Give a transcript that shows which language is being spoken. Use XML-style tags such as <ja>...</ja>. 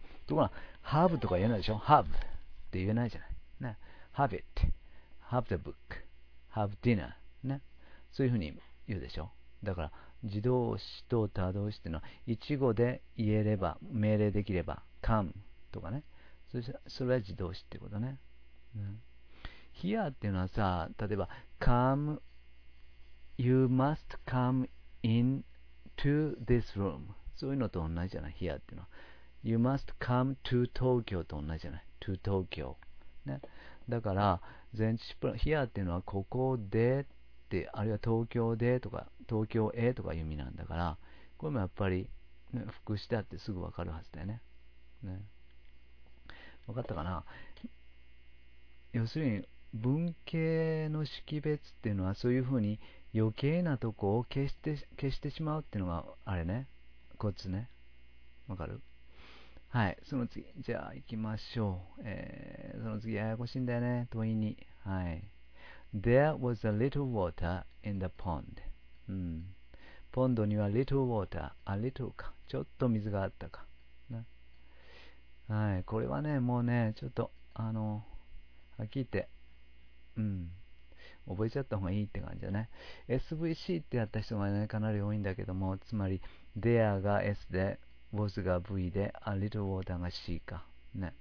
<ja>ところが、have とか言えないでしょ ?have って言えないじゃない。</ja> <en>ね、have it。have the book。 have dinner、ね。</en> <ja>そういうふうに言うでしょ。だから、自動詞と他動詞っていうのは、一語で言えれば、命令できれば、come とかね。それは自動詞ってことね。</ja> <en>ね、here</en> <ja>っていうのはさ、例えば、</ja> <en>come, you must come in,to this room.</en> <ja>そういうのと同じじゃない ?here っていうのは。</ja> <en>you must come to Tokyo</en> <ja>と同じじゃない</ja> <en>?to Tokyo.</en> <ja>ね。だから、前置詞プラス、here っていうのはここでって、あるいは東京でとか、東京へとかいう意味なんだから、これもやっぱり、ね、副詞だってすぐわかるはずだよね。ね。わかったかな？要するに、文型の識別っていうのはそういうふうに、余計なとこを消してしまうっていうのがあれね、コツね。わかる？はい、その次、じゃあ行きましょう。その次、ややこしいんだよね、問いに。はい。</ja> <en>There was a little water in the pond.</en> <ja>うん。ポンドには little water、a little か、ちょっと水があったか、ね。はい、これはね、もうね、ちょっと、はっきり言って、うん。覚えちゃった方がいいって感じだね。SVC ってやった人が、ね、かなり多いんだけども、つまり、there が S で、was が V で、a little water が C か。ね。</ja>